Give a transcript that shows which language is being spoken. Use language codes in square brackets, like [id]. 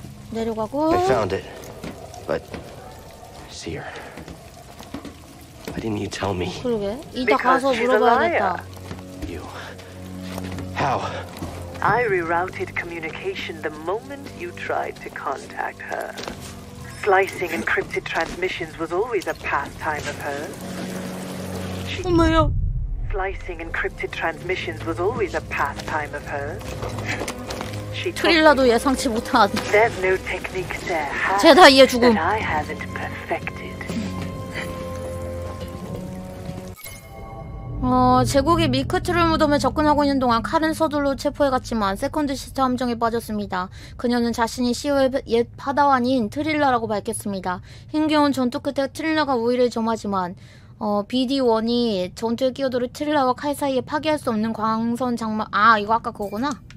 [ko] 내려가고. [en] I found it, but see her. Why didn't you tell me? [ko] 그러게. 이따 가서 물어봐야겠다. [en] You. How? I rerouted communication the moment you tried to contact her. Slicing encrypted transmissions was always a pastime of hers. Oh my god. Slicing encrypted transmissions was always a pastime of hers. [ko] 트릴라도 예상치 못한. [en] There's no technique there. [ko] 제다이의 죽음. [en] That I haven't perfected. [ko] 제국이 미크트룰 무덤에 접근하고 있는 동안 칼은 서둘러 체포해갔지만 세컨드 시스터 함정에 빠졌습니다. 그녀는 자신이 시오의 옛 파다완인 트릴라라고 밝혔습니다. 힘겨운 전투 끝에 트릴라가 우위를 점하지만 BD1이 전투에 끼어들어 트릴라와 칼 사이에 파괴할 수 없는 광선 장마... 아 이거 아까 그거구나.